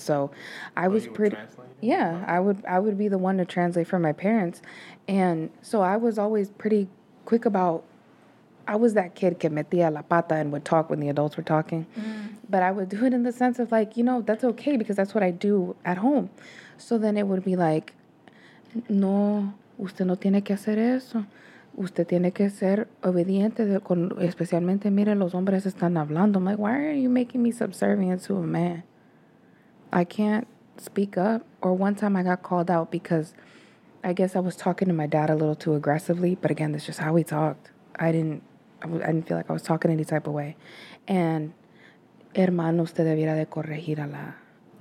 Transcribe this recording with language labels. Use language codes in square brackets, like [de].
[en] So I was pretty. Yeah, I would be the one to translate for my parents. And so I was always pretty quick about. I was that kid [es] que metía la pata [en] and would talk when the adults were talking. Mm-hmm. But I would do it in the sense of like, you know, that's okay because that's what I do at home. So then it would be like, [es] no, usted no tiene que hacer eso. Usted tiene que ser obediente, especialmente, miren, los hombres están hablando. [en] I'm like, why are you making me subservient to a man? I can't speak up. Or one time I got called out because I guess I was talking to my dad a little too aggressively. But again, that's just how we talked. I didn't feel like I was talking any type of way. And, [es] hermano, usted debiera de corregir a la,